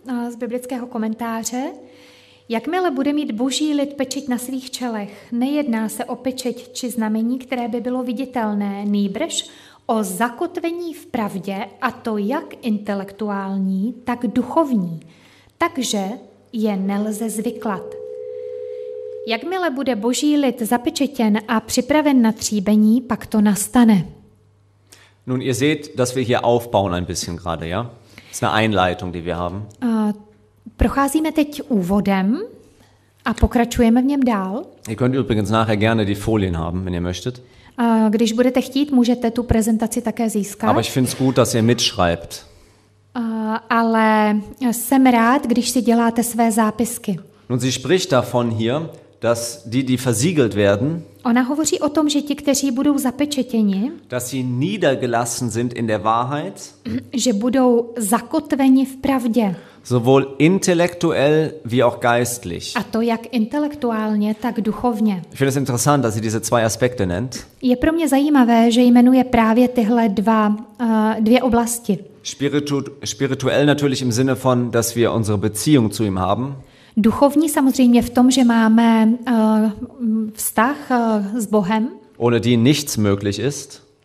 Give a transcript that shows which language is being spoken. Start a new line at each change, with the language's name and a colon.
Czech: z biblického komentáře. Jakmile bude mít boží lid pečeť na svých čelech, nejedná se o pečeť či znamení, které by bylo viditelné, nýbrž o zakotvení v pravdě, a to jak intelektuální, tak duchovní, takže je nelze zvyklat. Jakmile bude boží lid zapečetěn a připraven na tříbení, pak to nastane.
German: Nun, ihr seht, dass wir hier aufbauen ein bisschen gerade, ja? Das ist eine Einleitung, die wir haben.
Czech: Procházíme teď úvodem a pokračujeme v něm dál.
German: Ihr könnt übrigens nachher gerne die Folien haben, wenn ihr möchtet.
Czech: Když budete chtít, můžete tu prezentaci také získat.
German: Aber ich finde es gut, dass ihr mitschreibt.
Czech: Ale jsem rád, když si děláte své zápisky.
German: Nun, sie spricht davon hier, dass die, die versiegelt werden,
Czech: ona hovoří o tom, že ti, kteří budou zapečetěni,
German: dass sie niedergelassen sind in der Wahrheit,
Czech: že budou zakotveni v pravdě,
German: sowohl intellektuell wie auch geistlich.
Czech: A to jak intelektuálně, tak duchovně.
German: Ich finde es interessant, dass sie diese zwei Aspekte nennt.
Czech: Je pro mě zajímavé, že jmenuje právě tyhle dvě oblasti.
German: Spirituell natürlich im Sinne von, dass wir unsere Beziehung zu ihm haben.
Czech: Duchovní samozřejmě v tom, že máme vztah s Bohem.
German: Ohne die nichts möglich ist.